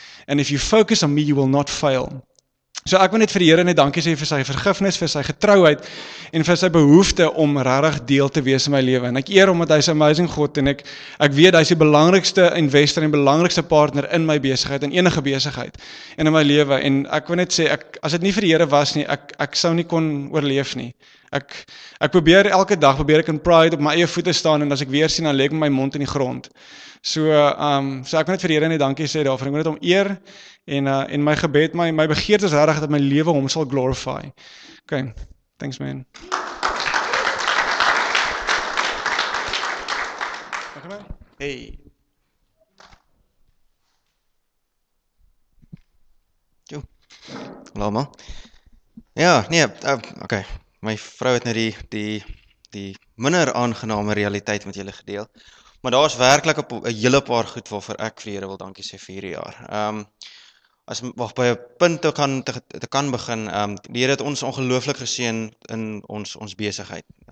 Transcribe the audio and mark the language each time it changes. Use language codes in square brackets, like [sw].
[en] And if you focus on me, you will not fail. [af] So ek wil net vir die Here net dankie sê vir sy vergifnis, vir sy getrouheid en vir sy behoefte om regtig deel te wees in my lewe. En ek eer hom want hy's 'n amazing God en ek weet hy's die belangrikste investor en belangrikste partner in my besigheid en enige besigheid en in my lewe. En ek wil net sê as dit nie vir die Here was nie, ek sou nie kon oorleef nie. Ek probeer elke dag probeer ek in pride op my eie voete staan en as ek weer sien dan lê ek my mond in die grond. So ek wil net vir die Here net dankie sê daarvoor. Ek wil net hom eer en my gebed, my begeerte is regtig dat my lewe hom sal glorify. Okay. [en] Thanks man. Hey. [af] Jo. Hallo man. Ja, nee, okay. My vrou het nou die minder aangename realiteit met julle gedeel. Maar daar is werklik 'n hele paar goed waarvoor ek vir Here wil dankie sê vir hierdie jaar. As wag by 'n punt te kan begin, die Here het ons ongelooflik geseën in ons besigheid.